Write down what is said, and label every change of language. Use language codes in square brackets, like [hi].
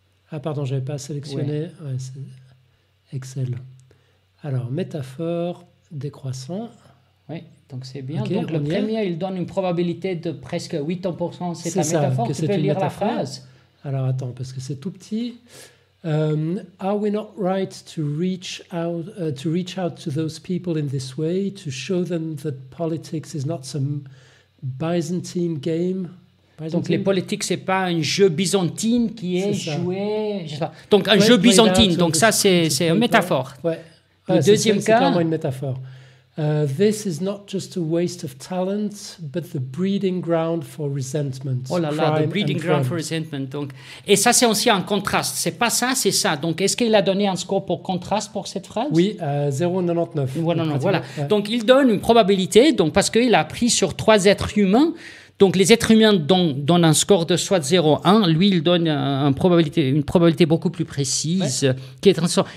[fr] Ah pardon, je n'avais pas sélectionné. Ouais, Excel. Alors, métaphore, décroissant. Oui, donc c'est bien. Okay, donc le premier, il donne une probabilité de presque 80%. C'est ta métaphore, tu peux lire la phrase. Alors attends, parce que c'est tout petit. [en] Are we not right to reach out to those people in this way, to show them that politics is not some Byzantine game? [fr] Donc, les politiques, ce n'est pas un jeu byzantine qui est joué... Donc, un jeu byzantine. Donc, ça, c'est une métaphore. Ouais. Le deuxième cas... C'est clairement une métaphore. [en] This is not just a waste of talent, but the breeding ground for resentment. Oh là là, the breeding ground for resentment. [fr] Donc, et ça, c'est aussi un contraste. Ce n'est pas ça, c'est ça. Donc, est-ce qu'il a donné un score pour contraste pour cette phrase? Oui, 0,99. Voilà. Donc, il donne une probabilité, donc, parce qu'il a appris sur 3 êtres humains. Donc, les êtres humains donnent un score de soit 0,1. Lui, il donne une probabilité beaucoup plus précise. Ouais. Qui est un sort.